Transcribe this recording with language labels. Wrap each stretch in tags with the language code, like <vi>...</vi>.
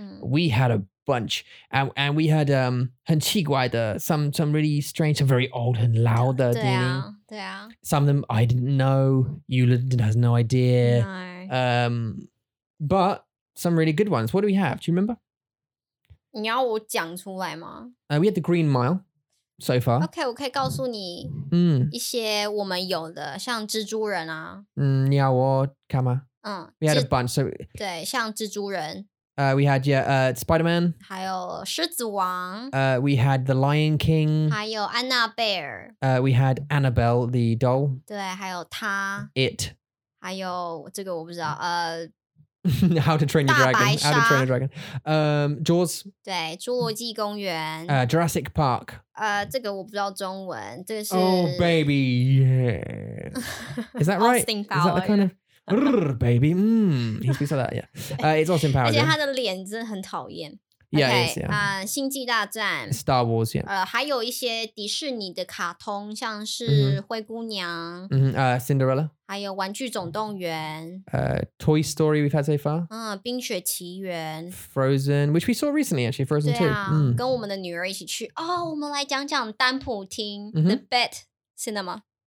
<en>We had a bunch, and we had</en> <zh>很奇怪的,</zh> <en>some really strange, some very old and loud.</en> <zh>对啊,</zh> <en>some of them I didn't know. Yula has no idea. No. But some really good ones. What do we have? Do you remember?</en> <zh>你要我讲出来吗?</zh> <en>We had the Green Mile so far.</en> <zh>Okay, 我可以告诉你一些我们有的, 像蜘蛛人啊。你要我看吗?</zh> <en>We had a bunch. So,</en> <zh>对,像蜘蛛人。</zh> <en>We had, Spider-Man.</en> <zh>还有狮子王。</zh> <en>We had The Lion King.</en> <zh>还有安娜贝尔。</zh> <en>We had Annabelle, the doll.</en> <zh>对,还有她。</zh> <en>It.</en> <zh>还有,这个我不知道,</zh> <en>How to Train Your Dragon. How to Train Your Dragon. Jaws.</en> <zh>对,侏罗纪公园.</zh> <en>Jurassic Park.</en> <zh>这个我不知道中文.这个是...</zh> <en>Oh, baby, yeah. Is that right? Austin Powers. Is that the kind of... baby, He speaks like that, yeah. It's Austin Powers.</en> <zh>而且他的脸真的很讨厌.</zh> <en>Yeah, okay, it is, yeah.</en> <zh>星际大战.</zh> <en>Star Wars, yeah.</en> <zh>还有一些迪士尼的卡通, 像是灰姑娘.</zh> <en>Cinderella.</en> <zh>还有玩具总动员,</zh> <en>Toy Story we've had so far.</en> <zh>冰雪奇缘,</zh> <en>Frozen, which we saw recently actually, Frozen</en> <zh>对啊,</zh> <en>2.</en> <zh>跟我们的女儿一起去, 我们来讲讲丹普厅, The Bat Cinema.</zh>